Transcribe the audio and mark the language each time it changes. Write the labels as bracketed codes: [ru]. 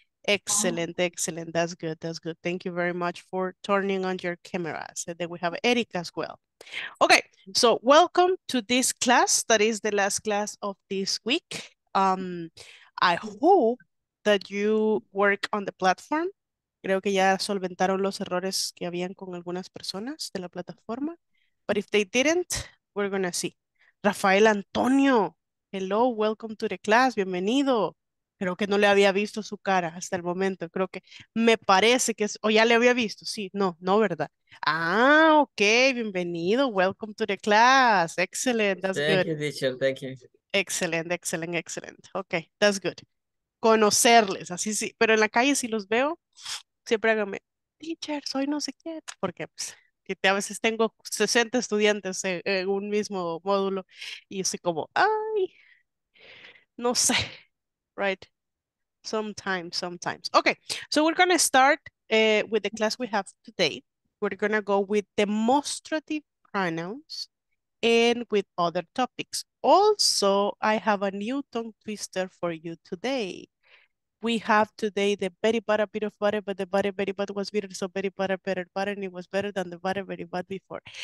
[en] Excellent, excellent. That's good, that's good. Thank you very much for turning on your cameras. And then we have Eric as well. Okay, so welcome to this class. That is the last class of this week. I hope that you work on the platform. [es] Creo que ya solventaron los errores que habían con algunas personas de la plataforma. [en] But if they didn't, we're gonna see. Rafael Antonio, hello, welcome to the class, [es] bienvenido. Creo que no le había visto su cara hasta el momento, creo que me parece que es, o ya le había visto, sí, no, no, ¿verdad? Ah, ok, bienvenido, [en] welcome to the class, excellent, that's thank Thank you, teacher, thank you. Excellent, excellent, excellent, ok, that's good. [es] Conocerles, así sí, pero en la calle si los veo, siempre háganme, teacher, soy no sé qué, porque pues, a veces tengo 60 estudiantes en un mismo módulo y estoy como, ay, no sé, [en] right? Sometimes, sometimes. Okay, so we're going to start with the class we have today. We're going to go with demonstrative pronouns and with other topics. Also, I have a new tongue twister for you today. We have today the very butter bit of butter, but the butter very butter was bitter, so very butter, and it was better than the butter very bad before.